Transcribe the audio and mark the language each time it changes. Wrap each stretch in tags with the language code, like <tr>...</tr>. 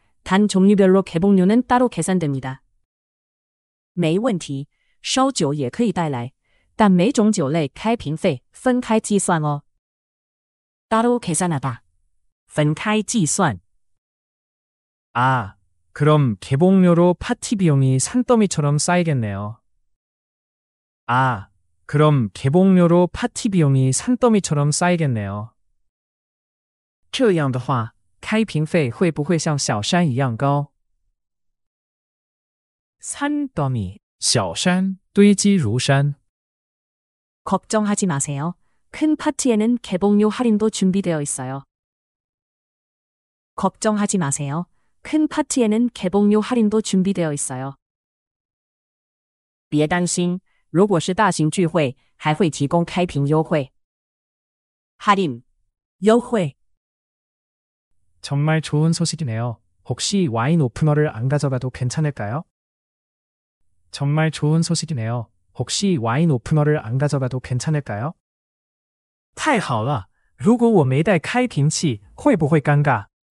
<ko>단 종류별로 개봉료는 따로 계산됩니다.</ko> <zh>没问题，烧酒也可以带来，但每种酒类开瓶费分开计算哦。</zh> <ko>따로 계산하다.</ko> <zh>分开计算.</zh> <ko>아, 그럼 개봉료로 파티 비용이 산더미처럼 쌓이겠네요. 아, 그럼 개봉료로 파티 비용이 산더미처럼 쌓이겠네요.</ko> <zh>这样的话, 开瓶费会不会像小山一样高?</zh> <ko>산더미,</ko> <zh>小山, 堆积如山.</zh> <ko>걱정하지 마세요. 큰 파티에는 개봉료 할인도 준비되어 있어요. 걱정하지 마세요. 큰 파티에는 개봉료 할인도 준비되어 있어요.</ko> <zh>别担心，如果是大型聚会，还会提供开瓶优惠。</zh> <ko>할인, 优惠. 정말 좋은 소식이네요. 혹시 와인 오프너를 안 가져가도 괜찮을까요? 정말 좋은 소식이네요. 혹시 와인 오프너를 안 가져가도 괜찮을까요?</ko> <zh>太好了！如果我没带开瓶器，会不会尴尬？</zh>